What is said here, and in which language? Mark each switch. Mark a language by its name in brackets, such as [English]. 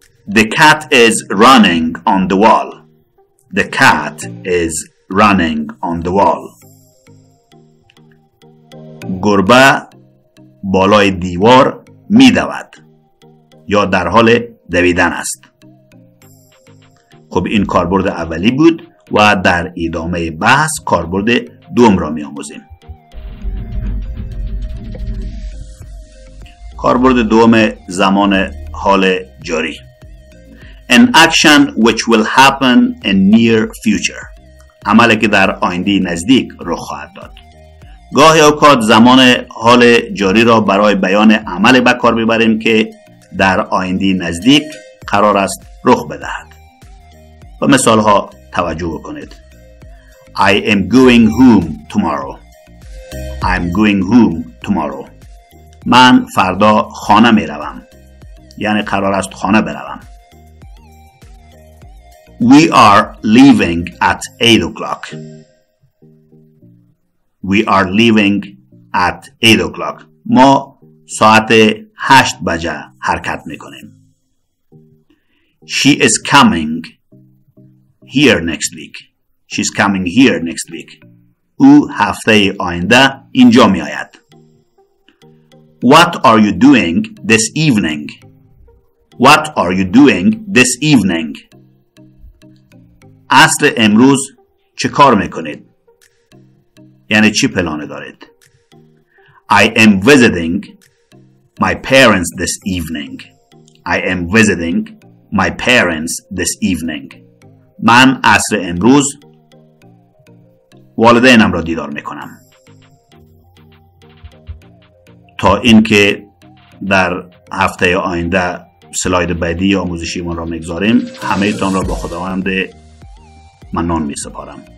[English] The cat is running on the wall، The cat is running on the wall، [Persian] گربه بالای دیوار می دود یا در حال دویدن است. خب این کاربرد اولی بود و در ادامه بحث کاربرد دوم را می آموزیم. کاربرد دوم زمان حال جاری، [English] An action which will happen in near future، [Persian] عملی که در آینده نزدیک رخ خواهد داد. گاهی اوقات زمان حال جاری را برای بیان عملی به کار می‌بریم که در آینده نزدیک قرار است رخ بدهد. به مثال‌ها توجه کنید. [English] I am going home tomorrow، I am going home tomorrow، [Persian] من فردا خانه می‌روم، یعنی قرار است خانه بروم. [English] We are leaving at 8 o'clock، We are leaving at 8 o'clock، [Persian] ما ساعت 8 بجه حرکت میکنیم. [English] She is coming here next week، She is coming here next week، [Persian] او هفته آینده اینجا میآید. [English] What are you doing this evening، What are you doing this evening، [Persian] اصل امروز چه کار میکنید؟ یعنی چی پلانه دارید؟ [English] I am visiting my parents this evening، I am visiting my parents this evening. [Persian] من عصر امروز والدینم را دیدار میکنم. تا اینکه در هفته آینده سلاید بعدی آموزشی من را میگذاریم، همه تان را با خداوند منان میسپارم.